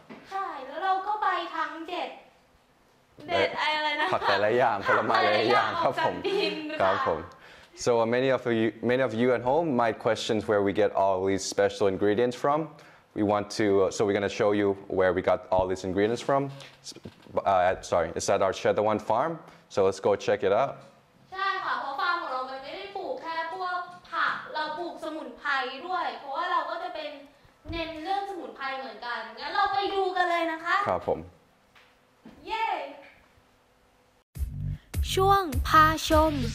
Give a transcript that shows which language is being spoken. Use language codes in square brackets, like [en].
[th] ใช่แล้วเราก็ไปทั้งเด็ดอะไรนะ ผักแต่ละอย่างผลไม้หลายอย่างครับผมครับผม [en] So many of you at home might question where we get all these special ingredients from. So we're going to show you where we got all these ingredients from. It's at our Chetawan farm. So let's go check it out. [th] ใช่ค่ะเพราะฟาร์มของเราไม่ได้ปลูกแค่พวกผักเราปลูกสมุนไพรด้วยเพราะว่าเราก็จะเป็นเน้นเรื่องสมุนไพรเหมือนกันงั้นเราไปดูกันเลยนะคะ ครับผม เย้ช่วงพาชม